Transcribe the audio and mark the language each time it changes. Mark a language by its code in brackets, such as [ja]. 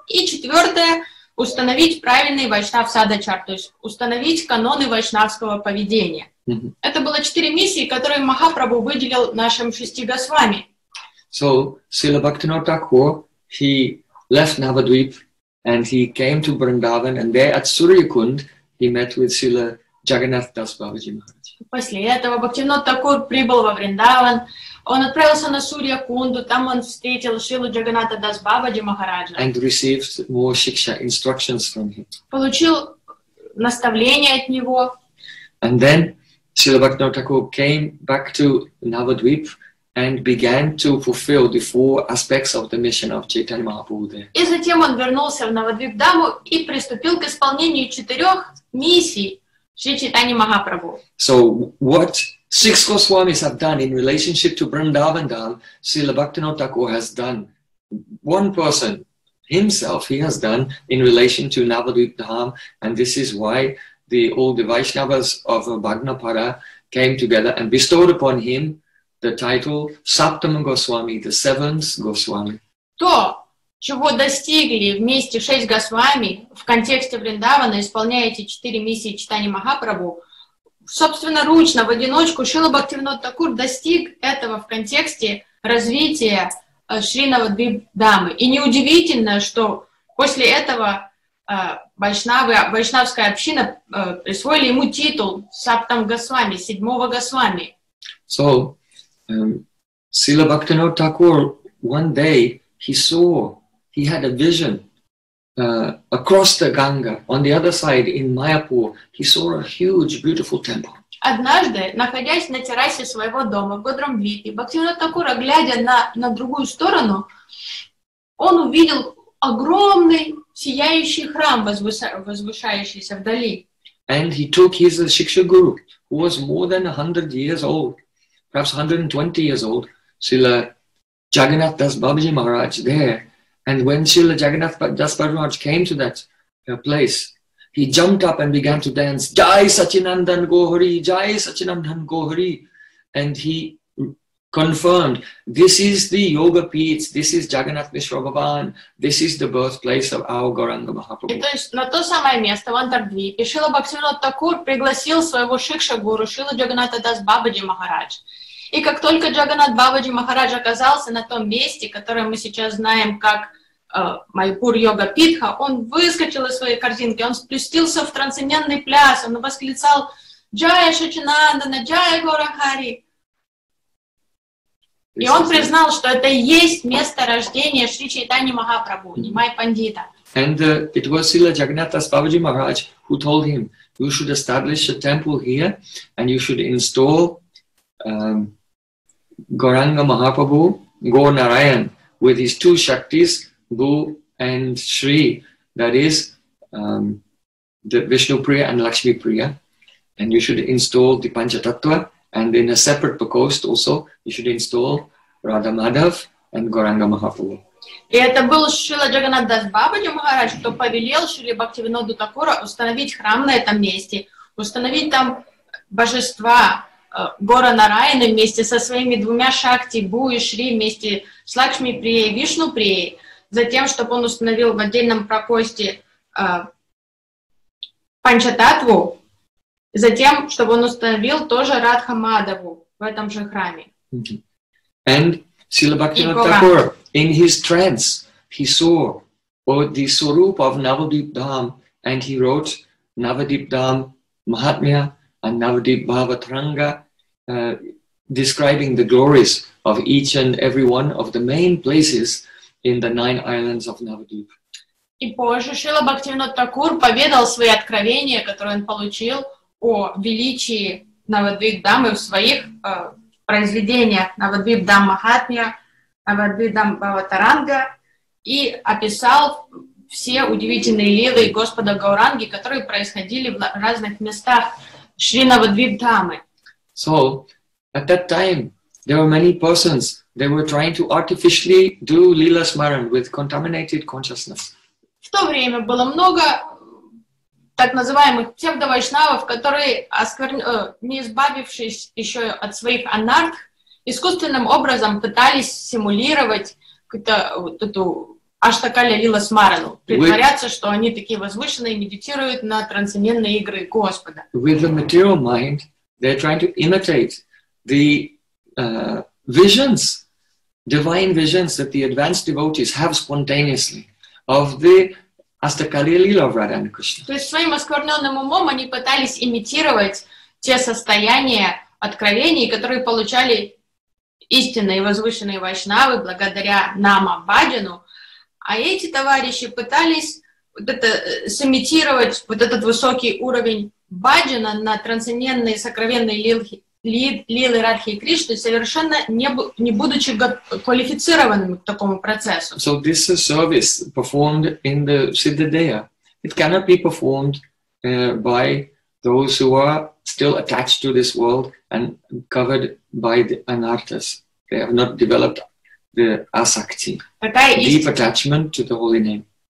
[ru] И четвертое — установить правильный вайшнав-садачар, то есть установить каноны вайшнавского поведения. Mm-hmm. Это было четыре миссии, которые Махапрабху выделил нашим шести госвами. [en] So, Srila Bhaktivinoda Thakur, he left Navadvip, and he came to Vrindavan, and there at Suryakund, he met with Srila Jagannath Das Babaji Maharaj. [ru] После этого Бхактивинода Такур прибыл во Вриндаван, он отправился на Сурья Кунду, там он встретил Шрилу Джаганнатха Дас Бабаджи Махараджа. [en] And received more shiksha, instructions from him. [ru] Получил наставление от него. [en] And then Srila Bhaktivinoda Thakur came back to Navadvip and began to fulfill the four aspects of the mission of Chaitanya Mahaprabhu there. [ru] И затем он вернулся в Навадвип Даму и приступил к исполнению четырех миссий Шри Чайтаньи Махапрабху. [en] So what six Goswamis have done in relationship to Vrindavan Dham, Srila Bhaktivinoda Thakur has done. One person, himself, he has done in relation to Navadvip Dham, and this is why all the Vaishnavas of Bhagnapara came together and bestowed upon him the title Saptam Goswami, the seventh Goswami. [ru] То, чего достигли вместе шесть Госвами в контексте Вриндавана, исполняя эти четыре миссии Чайтаньи Махапрабху, собственно, ручно, в одиночку, Шрила Бхактивинода Такур достиг этого в контексте развития Шри Навадвип Дамы. И неудивительно, что после этого вайшнавская община присвоили ему титул Саптам Госвами, седьмого Госвами. [en] So, Шрила Бхактивинода Такур, one day, he saw, he had a vision across the Ganga, on the other side, in Mayapur, he saw a huge, beautiful temple. [ru] Однажды, находясь на террасе своего дома в Гадрамвипе, Бхактивинода Такура, глядя на другую сторону, он увидел огромный сияющий храм, возвышающийся вдали. [en] And he took his Shiksha Guru, who was more than 100 years old, perhaps 120 years old, Srila Jagannath Das Babaji Maharaj, there. And when Srila Jagannath Das Paramaraj came to that place, he jumped up and began to dance, Jai Sachinandan Gohari, Jai Sachinandan Gohari. And he confirmed, this is the Yoga Peeth, this is Jagannath Mishra Bhavan, this is the birthplace of our Gauranga Mahaprabhu. [ru] То есть на то самое место, в Антардвипе, Шрила Бхактивинода Такур пригласил своего шикша гуру, Шрила Джаганнатха Дас Бабаджи Махарадж. И как только Джаганнат Бабаджи Махарадж оказался на том месте, которое мы сейчас знаем как Майяпур Йога Питха, он выскочил из своей корзинки, он спустился в трансцендентный пляс, он восклицал «Джая Шачинандана, Джая Гора Хари!» И он признал, что это и есть место рождения Шри Чайтани Махапрабху, не Майя Пандита. [en] And it was Srila Jagannatha's Babaji Maharaj who told him, you should establish a temple here and you should install Gauranga Mahaprabhu, Gaur Narayan, with his two Shaktis, Bhu and Shri, that is the Vishnu Priya and Lakshmi Priya. And you should install the Panchatattva, and in a separate prakost also, you should install Radha Madhav and Gauranga Mahaprabhu. [ru] И это был Шрила Джаганнатх Дас Бабаджи Махарадж, кто повелел Шри Бхактивиноду Такура установить храм на этом месте, установить там божества Гора Нараяны вместе со своими двумя Шакти, Бу и Шри, вместе с Лакшми Прией и Вишну Прией, затем, чтобы он установил в отдельном прокосте Панчататву, затем, чтобы он установил тоже Радха Мадаву в этом же храме. [en] And Srila Bhaktivinoda Thakur, in his trance, he saw the Swarup of Navadip Dham, and he wrote Navadip Dham Mahatmya and Navadip Bhavatranga, describing the glories of each and every one of the main places in the nine islands of Navadip. [ru] И позже Шрила Бхактивинода Такур поведал свои откровения, которые он получил о величии Навадвип Дхамы в своих произведения Навадвип Дхам Махатмья, Навадвип Дхам Бхаватаранга и описал все удивительные лилы Господа Гауранги, которые происходили в разных местах Шри Навадвип Дхамы. [en] So, at that time, there were many persons, they were trying to artificially do Lila Smaran with contaminated consciousness. [ru] В то время было много так называемых псевдо-вайшнавов, которые, не избавившись еще от своих анардх, искусственным образом пытались симулировать какую-то вот эту аштакаля лила смарану, притворяться, что они такие возвышенные, медитируют на трансцендентные игры Господа. [en] With the material mind, they're trying to imitate the visions, divine visions that the advanced devotees have spontaneously of the [ru] Астакалия лила в Радхе Кришне. То есть своим оскверненным умом они пытались имитировать те состояния откровений, которые получали истинные возвышенные вайшнавы благодаря Нама Баджану. А эти товарищи пытались вот это, сымитировать вот этот высокий уровень Баджана на трансцендентные сокровенные лилы Радхи Кришны, совершенно не будучи квалифицированным к такому процессу. [en] So this service performed in the Siddhadeya, it cannot be performed by those who are still attached to this world and covered by the anarthas. They have not developed the asakti, deep attachment to the holy name.